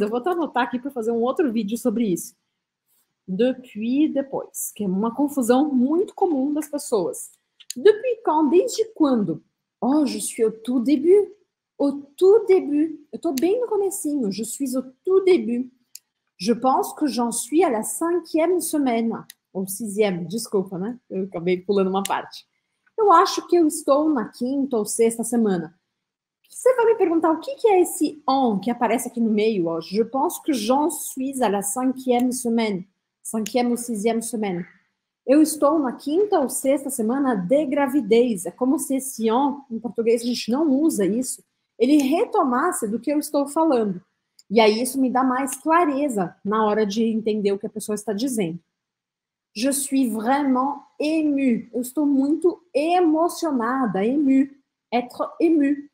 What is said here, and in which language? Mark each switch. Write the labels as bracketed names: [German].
[Portuguese] Eu vou até anotar aqui para fazer um outro vídeo sobre isso. Depuis, depois, que é uma confusão muito comum das pessoas. [French] Depuis quand? [Portuguese] Desde quando? [French] Oh, je suis au tout début. Au tout début. [Portuguese] Eu estou bem no comecinho. [French] Je suis au tout début. Je pense que j'en suis à la cinquième semaine. [Portuguese] Ou sixième, desculpa, né? Eu acabei pulando uma parte. Eu acho que eu estou na quinta ou sexta semana. Você vai me perguntar o que que é esse on que aparece aqui no meio, ó. [French] Je pense que j'en suis à la cinquième semaine. Cinquième ou sixième semaine. [Portuguese] Eu estou na quinta ou sexta semana de gravidez. É como se esse on, em português a gente não usa isso, ele retomasse do que eu estou falando. E aí isso me dá mais clareza na hora de entender o que a pessoa está dizendo. [French] Je suis vraiment ému. [Portuguese] Eu estou muito emocionada, [French] ému. Être ému.